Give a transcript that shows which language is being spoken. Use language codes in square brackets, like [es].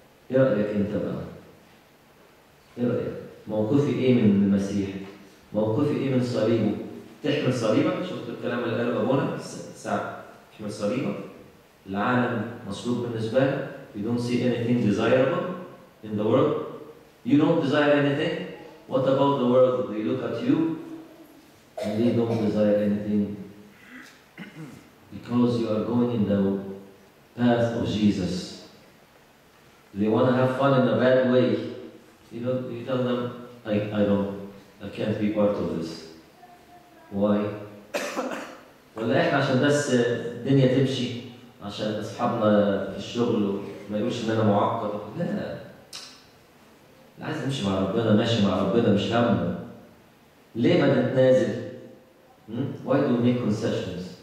[ar] إيه رأيك أنت بقى؟ إيه رأيك؟ موقفي إيه من المسيح؟ موقفي إيه من صليبه؟ تحمل صليبك؟ شفت الكلام اللي قاله أبونا؟ ساعة تحمل صليبك؟ العالم مصلوب بالنسبة لك؟ [en] You don't see anything desirable in the world. You don't desire anything. What about the world? They look at you. And they don't desire anything because you are going in the path of Jesus. They want to have fun in a bad way. You know, you tell them, I can't be part of this. Why? [ar] ولا احنا عشان بس الدنيا تمشي عشان اصحابنا في الشغل ما يقولش ان انا معقد. لا. عايز امشي مع ربنا، ماشي مع ربنا مش همه. ليه ما نتنازل؟ [en] Why do we make concessions?